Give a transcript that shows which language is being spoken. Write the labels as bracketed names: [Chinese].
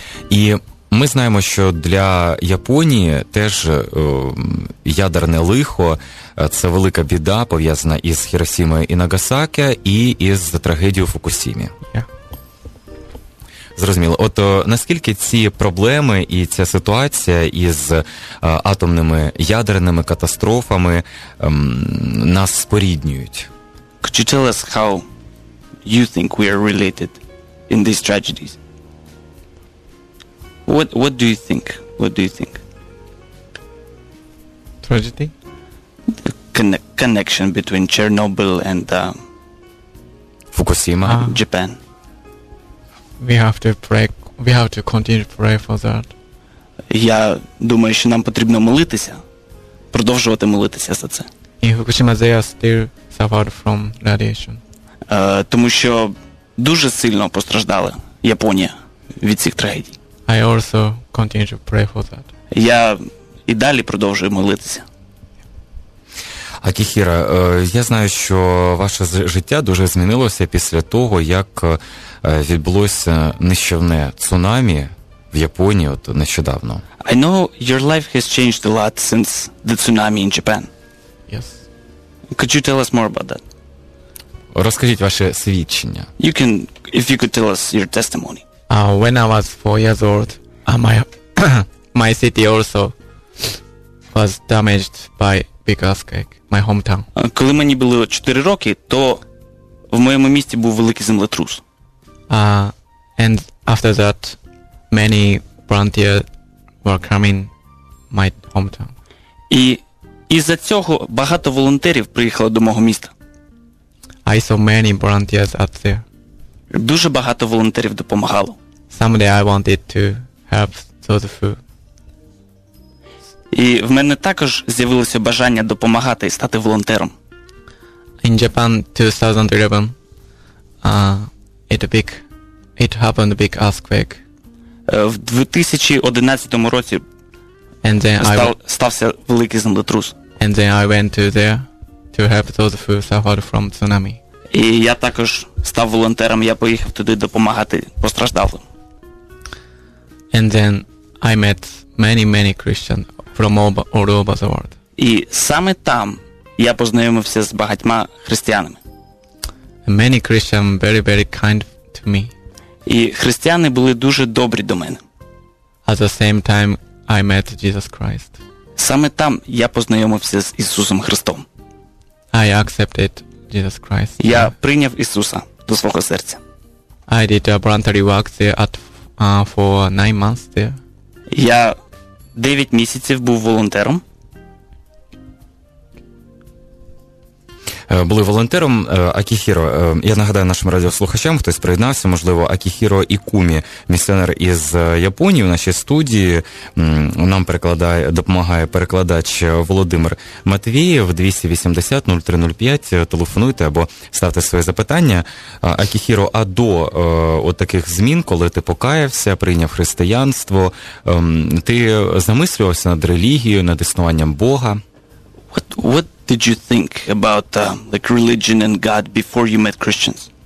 [Ukrainian] І ми знаємо, що для Японії теж ядерне лихо – це велика біда, пов'язана із Хіросімою і Нагасакі, і із трагедією Фукусімі. [English] Yeah. [Ukrainian] Зрозуміло. От наскільки ці проблеми і ця ситуація із атомними ядерними катастрофами нас споріднюють? [English] Could you tell us how you think we are related in these tragedies? What do you think? What do you think? Tragedy? The connection between Chernobyl and Fukushima, Japan. We have to continue to pray for that. [Ukrainian] Я думаю, що нам потрібно молитися, продовжувати молитися за це. [English] In Fukushima they are still suffered from radiation. [Ukrainian] Тому що дуже сильно постраждала Японія від цих трагедій. [English] I also continue to pray for that. [Ukrainian] Я і далі продовжую молитися. Акіхіро, я знаю, що ваше життя дуже змінилося після того, як відбулося нищівне цунамі в Японії от нещодавно. [English] I know your life has changed a lot since the tsunami in Japan. Yes. Could you tell us more about that? [Ukrainian] Розкажіть ваше свідчення. [English] You can, if you could tell us your testimony. When I was 4 years old, my city also was damaged by big earthquake, my hometown. [Ukrainian] Коли мені було 4 роки, то в моєму місті був великий землетрус. [English] And after that, many volunteers were coming my hometown. [Ukrainian] І із-за цього багато волонтерів приїхало до мого міста. [English] I saw many volunteers out there. [Ukrainian] Дуже багато волонтерів допомагало. [English] Someday I wanted to help those who. [Ukrainian] І в мене також з'явилося бажання допомагати і стати волонтером. [English] In Japan 2011 it happened a big earthquake. [Ukrainian] В 2011 році стався великий землетрус. [English] And then I went to there to help those who suffered from tsunami. [Ukrainian] І я також став волонтером, я поїхав туди допомагати постраждалим. [English] And then I met many Christians from all over the world. [Ukrainian] І саме там я познайомився з багатьма християнами. [English] Many Christians very kind to me. [Ukrainian] І християни були дуже добрі до мене. [English] At the same time I met Jesus Christ. [Ukrainian] Саме там я познайомився з Ісусом Христом. [English] I accepted Jesus Christ. [Ukrainian] Я прийняв Ісуса до свого серця. [English] I did a voluntary work there for 9 months there. [Ukrainian] Я 9 місяців був волонтером. були волонтером. Акіхіро, я нагадаю нашим радіослухачам, хтось приєднався, можливо, Акіхіро Ікумі, місіонер із Японії, в нашій студії. Нам перекладає, допомагає перекладач Володимир Матвієв. 280-0305, телефонуйте або ставте своє запитання. Акіхіро, а до от таких змін, коли ти покаявся, прийняв християнство, ти замислювався над релігією, над існуванням Бога? [English] What did you think about like religion and God before you met Christians?